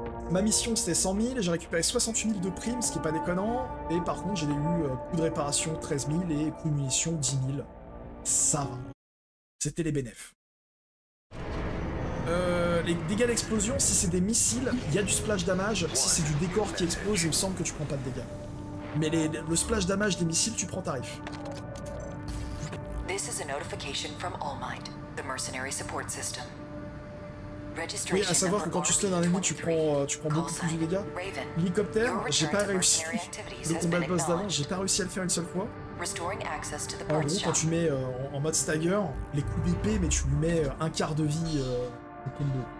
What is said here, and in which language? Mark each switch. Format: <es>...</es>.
<fr>Ma mission c'était 100 000, j'ai récupéré 68 000 de primes, ce qui est pas déconnant, et par contre j'ai eu coût de réparation 13 000 et coût de munitions 10 000. Ça va. C'était les bénéfs. Les dégâts d'explosion, si c'est des missiles, il y a du splash damage. Si c'est du décor qui explose, il me semble que tu prends pas de dégâts. Mais le splash damage des missiles, tu prends tarif.</fr> <en>This is a notification from All Might, the mercenary support system.</en> <fr>Oui, à savoir que quand tu stun un ennemi, tu prends beaucoup plus de dégâts. L'hélicoptère, j'ai pas réussi. Le combat de boss d'avant, j'ai pas réussi à le faire une seule fois. En gros, quand tu mets en mode stagger, les coups d'épée, mais tu lui mets un quart de vie au combo.</fr>